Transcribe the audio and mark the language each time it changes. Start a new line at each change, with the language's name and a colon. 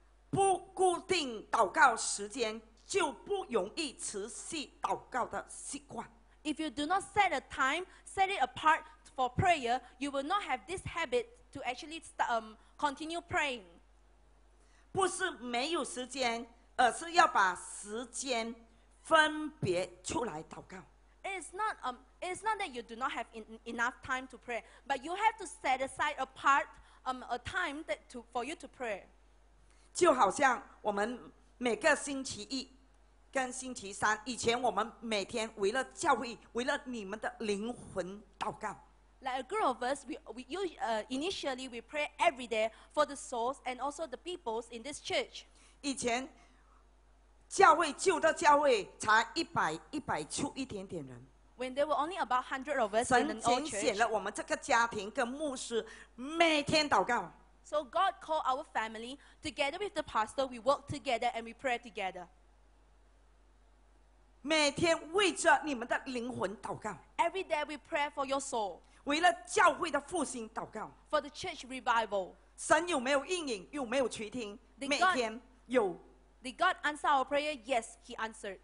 Chinese: 不固定祷告时间，就不容易持续祷告的习惯。
English: If you do not set a time, set it apart for prayer, you will not have this habit to actually continue praying.
Chinese: 不是没有时间，而是要把时间分别出来祷告。
English: It's not that you do not have enough time to pray, but you have to set aside a part, a time that to for you to pray.
Chinese: 就好像我们每个星期一跟星期三，以前我们每天为了教会，为了你们的灵魂祷告。
English: Like a group of us, initially we pray every day for the souls and also the peoples in this church.
Chinese: 以前教会旧的教会才一百出一点点人。
English: When there were only about 100 of us in the old church.
Chinese: 神拣选了我们这个家庭跟牧师每天祷告。
English: So God called our family together with the pastor. We work together and we pray together.
Chinese: 每天为着你们的灵魂祷告。
English: Every day we pray for your soul.
Chinese: 为了教会的复兴祷告。
English: For the church revival.
Chinese: 神有没有应允？有没有垂听？每天有。
English: Did God answer our prayer? Yes, He answered.